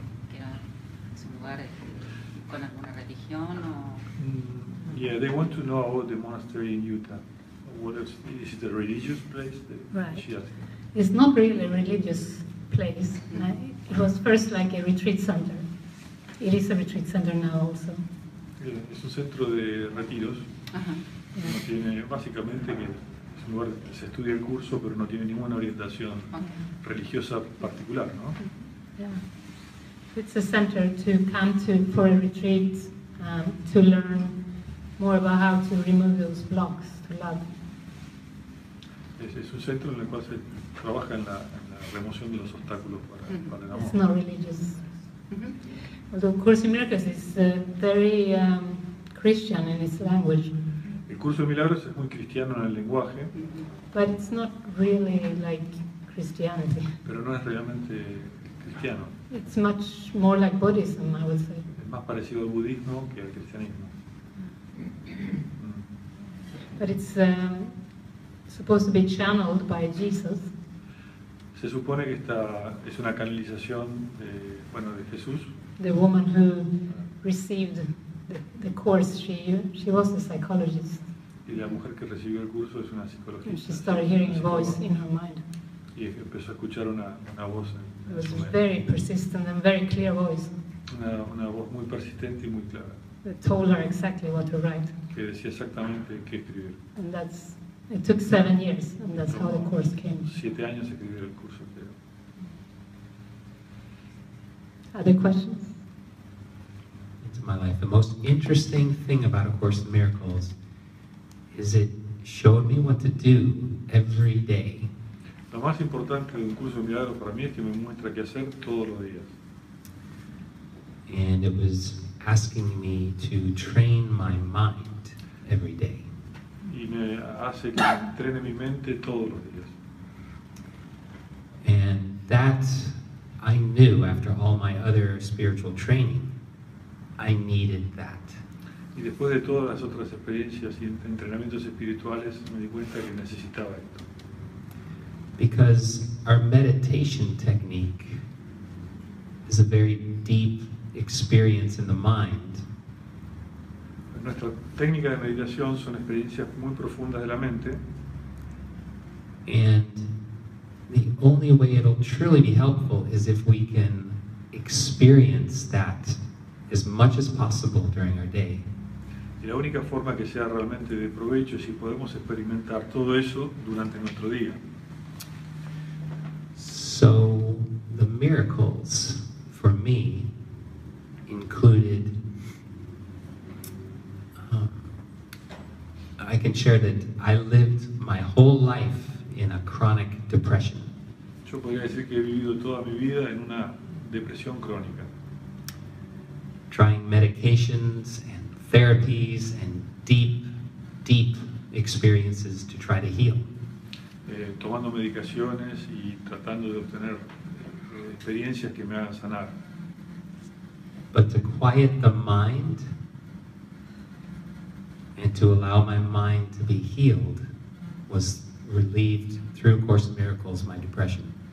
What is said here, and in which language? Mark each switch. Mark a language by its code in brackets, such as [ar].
[es] Que era su lugar con alguna religión o. [en] Yeah, they want to know about the monastery in Utah. what else? Is it a religious place? Right. It's not really a religious place. It was first like a retreat center. It is a retreat center now also. [es] Yeah, es un centro de retiros. Uh-huh. Yeah. Tiene básicamente que es un lugar donde se estudia el curso, pero no tiene ninguna orientación religiosa particular, ¿no? [en] Yeah. It's a center to come to for a retreat to learn more about how to remove those blocks to love. [es] Es un centro en el cual se trabaja en la remoción de los obstáculos para, mm-hmm. para el amor. [en] It's not religious. Mm-hmm. Although Course in Miracles is very Christian in its language. [es] El curso de milagros es muy cristiano en el lenguaje. [en] Mm-hmm. But it's not really like Christianity. [es] Pero no es realmente cristiano. [en] It's much more like Buddhism, I would say. [es] Es más parecido al budismo que al cristianismo. [en] But it's supposed to be channeled by Jesus. [es] Se supone que esta es una canalización de Jesús. [en] The woman who received the course, she was a psychologist. [es] Y la mujer que recibió el curso es una psicologista. [en] And she started hearing a voice in her mind. [es] Y empezó a escuchar una voz. [en] It was a very persistent and very clear voice. [es] Una voz muy persistente y muy clara. [en] That told her exactly what to write. [es] Que decía exactamente qué escribir. [en] And that's it took 7 years, and that's how the course came. [es] 7 años escribir el curso. Pero... [en] Other questions? Into my life, the most interesting thing about A Course in Miracles is it showed me what to do every day. [es] Lo más importante de un curso de milagros para mí es que me muestra qué hacer todos los días. [en] And it was asking me to train my mind every day. [es] Y me hace que entrene mi mente todos los días. [en] And that I knew after all my other spiritual training, I needed that. [es] Y después de todas las otras experiencias y entrenamientos espirituales, me di cuenta que necesitaba esto. [en] Because our meditation technique is a very deep experience in the mind. [es] Nuestra técnica de meditación son experiencias muy profundas de la mente. [en] And the only way it'll truly be helpful is if we can experience that as much as possible during our day. [es] Y la única forma que sea realmente de provecho es si podemos experimentar todo eso durante nuestro día. [en] So the miracles for me included, I can share that I lived my whole life in a chronic depression. [es] Yo podría decir que he vivido toda mi vida en una depresión crónica. [en] Trying medications and therapies and deep, deep experiences to try to heal. [es] Tomando medicaciones y tratando de obtener experiencias que me hagan sanar. [en] But to quiet the mind and to allow my mind to be healed was relieved through A Course in Miracles my depression.